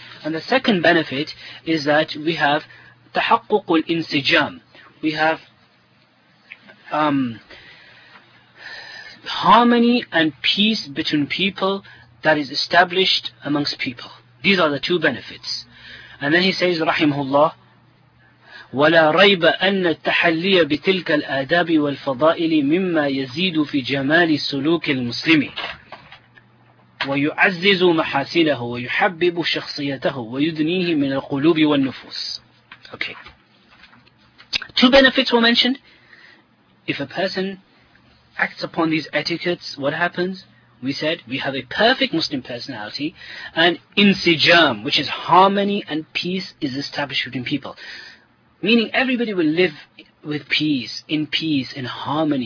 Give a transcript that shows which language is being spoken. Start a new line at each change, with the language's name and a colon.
English: And the second benefit is that we have
Arabic: تحقق الانسجام.
English: We have harmony and peace between people that is established amongst people. These are the two benefits. And then he says,
Arabic: Rahimahullah, وَلَا رَيْبَ أَنَّ التَّحَلِّيَ بِتِلْكَ الْآدَابِ وَالْفَضَائِلِ مِمَّا يَزِيدُ فِي جَمَالِ سُلُوكِ الْمُسْلِمِ وَيُعَزِّزُ مَحَاسِنَهُ وَيُحَبِّبُ شَخْصِيَتَهُ وَيُدْنِيهِ مِنَ الْقُلُوبِ وَالنُّفُوسِ.
English: Okay. Two benefits were mentioned. If a person acts upon these etiquettes, what happens? We said we have a perfect Muslim personality, and insijam, which is harmony and peace, is established between people. Meaning everybody will live with peace, in harmony.